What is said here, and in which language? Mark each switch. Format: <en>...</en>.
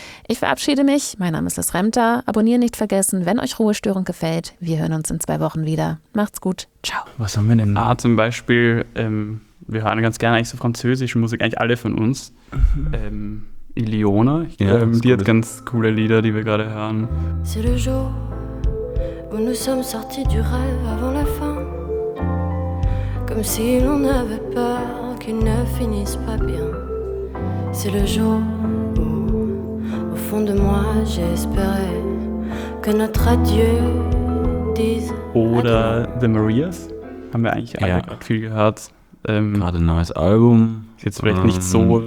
<de>Ich verabschiede mich, mein Name ist Liz Remter. Abonnieren nicht vergessen, wenn euch Ruhestörung gefällt. Wir hören uns in 2 Wochen wieder. Macht's gut, ciao. Was haben wir denn? Ah, zum Beispiel, wir hören ganz gerne eigentlich so französische Musik, eigentlich alle von uns. Ileona, die hat ganz coole Lieder, die wir gerade hören.</de> <fr>C'est le jour où nous sommes sortis du rêve avant la fin. Comme si l'on avait peur qu'il ne finisse pas bien. C'est le jour où, au fond de moi, j'espérais que notre adieu dise.</fr> <de>Oder The Marias haben wir eigentlich alle gerade viel gehört. Gerade ein neues Album. Ist jetzt vielleicht nicht so.</de>